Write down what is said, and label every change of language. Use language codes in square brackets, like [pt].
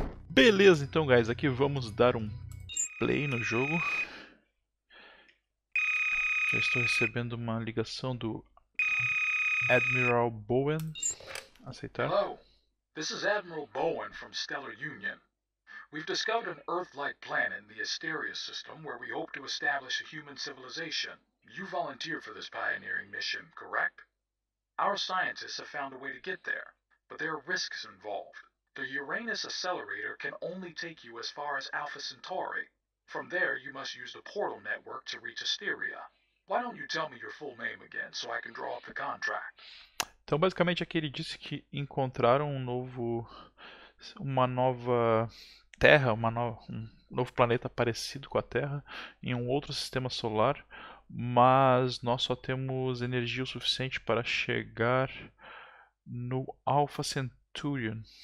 [pt] Beleza, então, guys, aqui vamos dar um play no jogo. Já estou recebendo uma ligação do Admiral Bowen. Aceitar. [en] Hello, this is Admiral Bowen from Stellar Union. We've discovered an Earth-like planet in the Asteria system where we hope to establish a human civilization. You volunteered for this pioneering mission, correct? Our scientists have found a way to get there, but there are risks involved. The Uranus Accelerator can only take you as far as Alpha Centauri. From there, you must use the portal network to reach Asteria. Why don't you tell me your full name again, so I can draw up the contract? [pt] Então, basicamente, aqui ele disse que encontraram um novo, uma nova Terra, uma no, um novo planeta parecido com a Terra, em um outro sistema solar, mas nós só temos energia o suficiente para chegar no Alpha Centurion.